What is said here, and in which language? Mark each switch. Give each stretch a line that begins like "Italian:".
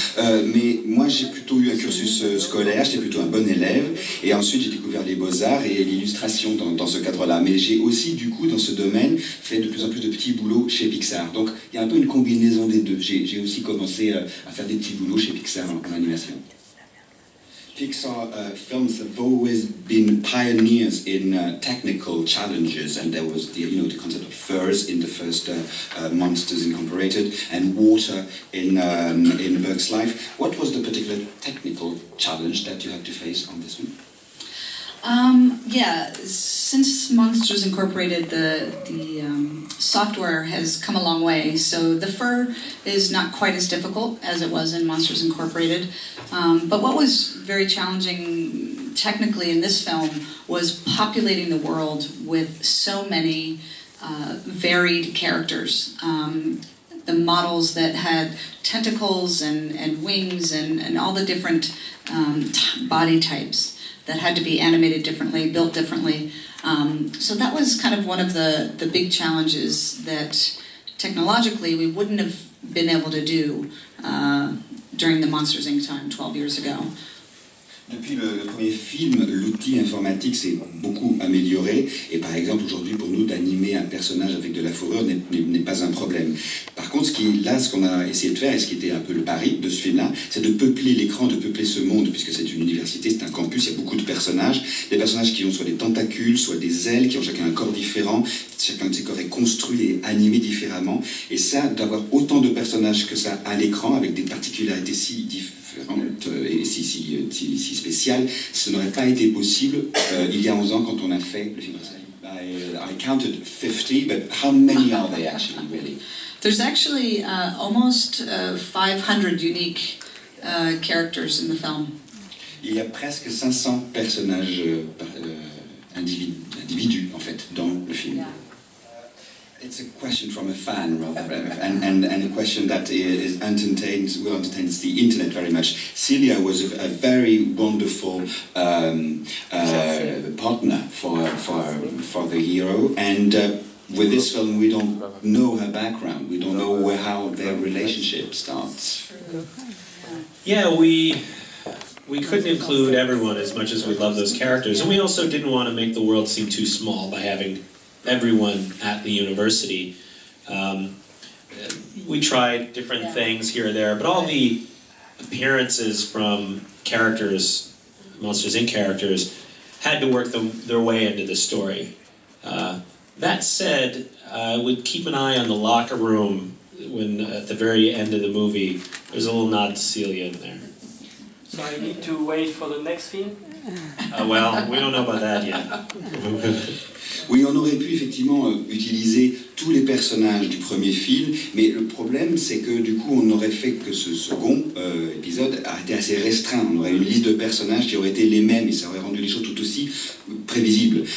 French: Mais moi, j'ai plutôt eu un cursus scolaire. J'étais plutôt un bon élève. Et ensuite, j'ai découvert les beaux-arts et l'illustration dans ce cadre-là. Mais j'ai aussi, du coup, dans ce domaine, fait de plus en plus de petits boulots chez Pixar. Donc, il y a un peu une combinaison des deux. J'ai aussi commencé à faire des petits boulots chez Pixar en animation.
English: Pixar films have always been pioneers in technical challenges, and there was the concept of furs in the first Monsters Incorporated, and water in Berg's Life. What was the particular technical challenge that you had to face on this one? Yeah, since Monsters Incorporated, the software has come a long way, so the fur is not quite as difficult as it was in Monsters Incorporated. But what was very challenging technically in this film was populating the world with so many varied characters. The models that had tentacles and wings and all the different body types that had to be animated differently, built differently. So that was kind of one of the big challenges that technologically we wouldn't have been able to do during the Monsters Inc. time 12 years ago.
French: Depuis le premier film, l'outil informatique s'est beaucoup amélioré. Et par exemple, aujourd'hui, pour nous, d'animer un personnage avec de la fourrure n'est pas un problème. Par contre, ce qu'on a essayé de faire, et ce qui était un peu le pari de ce film-là, c'est de peupler l'écran, de peupler ce monde, puisque c'est une université, c'est un campus, il y a beaucoup de personnages. Des personnages qui ont soit des tentacules, soit des ailes, qui ont chacun un corps différent. Chacun de ces corps est construit et animé différemment. Et ça, d'avoir autant de personnages que ça à l'écran, avec des particularités si différentes, et si spécial, ce n'aurait pas été possible il y a 11 ans quand on a fait le film.
English: I counted 50, but how many are they actually, really? There's actually almost 500 unique characters in the film.
French: Il y a presque 500 personnages individus, en fait, dans le film.
English: Yeah. It's a question from a fan, rather, and a question that entertains the internet very much. Celia was a very wonderful partner for the hero, and with this film, we don't know her background. We don't know how their relationship starts. Yeah, we couldn't include everyone as much as we love those characters, and we also didn't want to make the world seem too small by having everyone at the university. We tried different things here or there, but all the appearances from characters, Monsters Inc. characters, had to work their way into the story. That said, I would keep an eye on the locker room when at the very end of the movie, there's a little nod to Celia in there. So I need to wait for the next film? Well, we don't know about that yet.
French: Oui, on aurait pu effectivement utiliser tous les personnages du premier film, mais le problème, c'est que du coup, on aurait fait que ce second épisode a été assez restreint. On aurait une liste de personnages qui auraient été les mêmes et ça aurait rendu les choses tout aussi prévisibles.